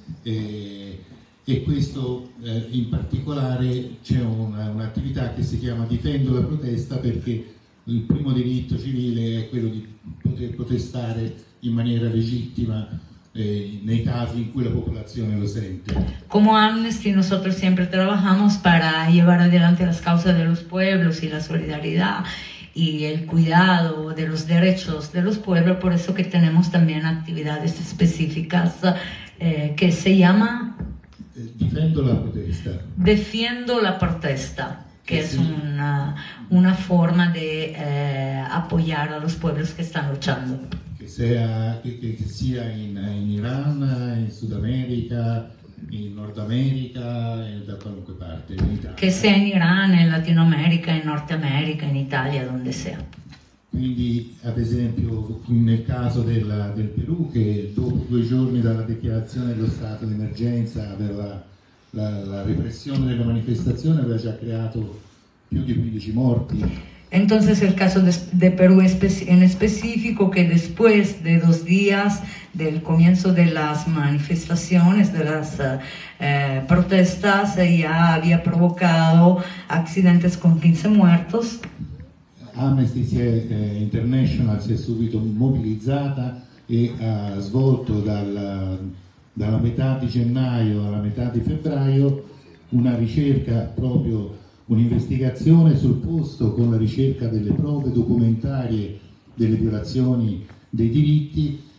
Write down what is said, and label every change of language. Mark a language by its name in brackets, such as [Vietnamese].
[Italian] E questo in particolare c'è un'attività che si chiama Difendo la protesta, perché il primo diritto civile è quello di poter protestare in maniera legittima nei casi in cui la popolazione lo sente. [Spanish] Come Amnesty nosotros siempre trabajamos para llevar adelante las causas de los pueblos y la solidaridad y el cuidado de los derechos de los pueblos, por eso que tenemos también actividades específicas que se llama [Italian] Difendo la protesta. [Spanish] Defiendo la protesta, que es una forma de apoyar a los pueblos que están luchando. Que sea en Irán, en Sudamérica, en Norteamérica, en de cualquier parte. Que sea en Irán, en Latinoamérica, en Norteamérica, en Italia, donde sea. [Italian] Quindi, ad esempio, nel caso del Perù, che dopo due giorni dalla dichiarazione dello stato d'emergenza, la repressione della manifestazione aveva già creato più di 15 morti. [Spanish] Entonces el caso de Perú en específico, que después de dos días del comienzo de las manifestaciones, de las protestas, ya había provocado accidentes con 15 muertos. [Italian] Amnesty International si è subito mobilizzata e ha svolto dalla metà di gennaio alla metà di febbraio una ricerca, proprio un'investigazione sul posto, con la ricerca delle prove documentarie delle violazioni dei diritti,